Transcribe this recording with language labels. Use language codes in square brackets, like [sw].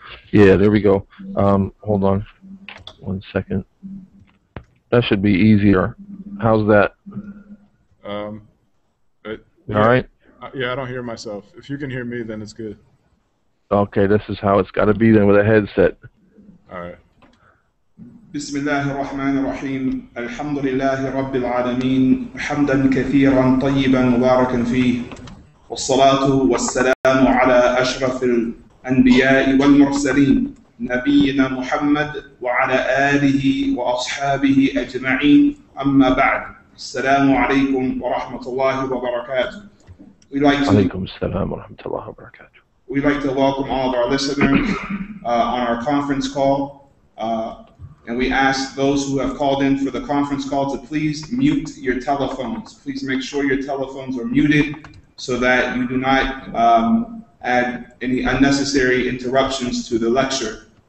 [en] Yeah, there we go. Hold on. One second. That should be easier. How's that? All right? Yeah, I don't hear myself. If you can hear me, then it's good. Okay, this is how it's got to be then with a headset. All right. [ar] بسم الله الرحمن الرحيم الحمد لله رب العالمين حمدا كثيرا طيبا مباركا فيه والصلاة والسلام على أشرف الأنبياء والمرسلين نبينا محمد وعلى آله وأصحابه أجمعين أما بعد السلام عليكم ورحمة الله وبركاته عليكم السلام ورحمة الله وبركاته [en] We'd like to welcome all of our listeners on our conference call And we ask those who have called in for the conference call to please mute your telephones. Please make sure your telephones are muted so that you do not add any unnecessary interruptions to the lecture.